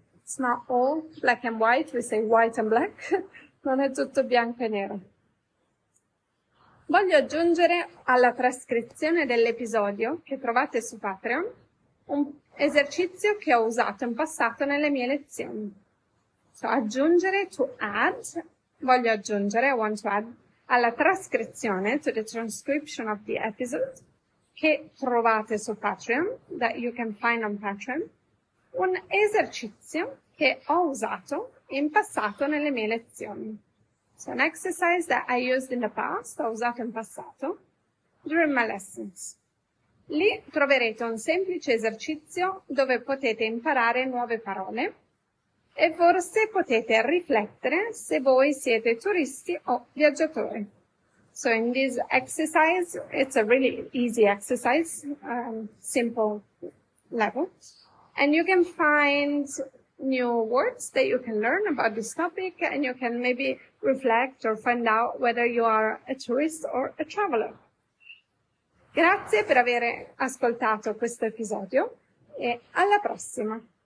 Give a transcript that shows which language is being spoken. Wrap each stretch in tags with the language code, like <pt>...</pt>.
<en>It's not all black and white, we say white and black.</en> <it>Non è tutto bianco e nero. Voglio aggiungere alla trascrizione dell'episodio che trovate su Patreon un esercizio che ho usato in passato nelle mie lezioni. So, aggiungere,</it> <en>to add.</en> <it>Voglio aggiungere,</it> <en>I want to add,</en> <it>alla trascrizione,</it> <en>to the transcription of the episode,</en> <it>che trovate su Patreon,</it> <en>that you can find on Patreon,</en> <it>un esercizio che ho usato in passato nelle mie lezioni.</it> <en>So an exercise that I used in the past,</en> <it>ho usato in passato,</it> <en>during my lessons.</en> <it>Lì troverete un semplice esercizio dove potete imparare nuove parole, e forse potete riflettere se voi siete turisti o viaggiatori.</it> <en>So in this exercise, it's a really easy exercise, simple level, and you can find new words that you can learn about this topic, and you can maybe reflect or find out whether you are a tourist or a traveler.</en> <it>Grazie per aver ascoltato questo episodio e alla prossima!</it>